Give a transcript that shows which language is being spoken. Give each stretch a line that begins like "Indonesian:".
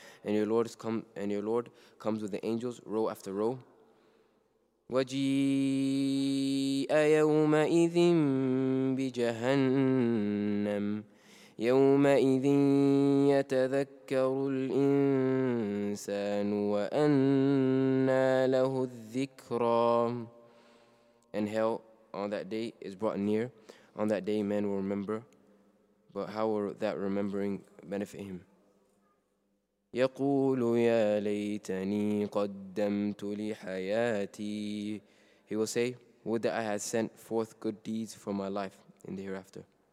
English: And your Lord has come, and your Lord comes with the angels row after row.
Arabic: وجيء يومئذ بجهنم يومئذ يتذكر الإنسان وأنى له الذكرى.
English: And hell on that day is brought near. On that day men will remember, but how will that remembering benefit him?
Arabic: يقول يا ليتني قدمت لحياتي.
English: He will say, would that I had sent forth good deeds for my life in the hereafter.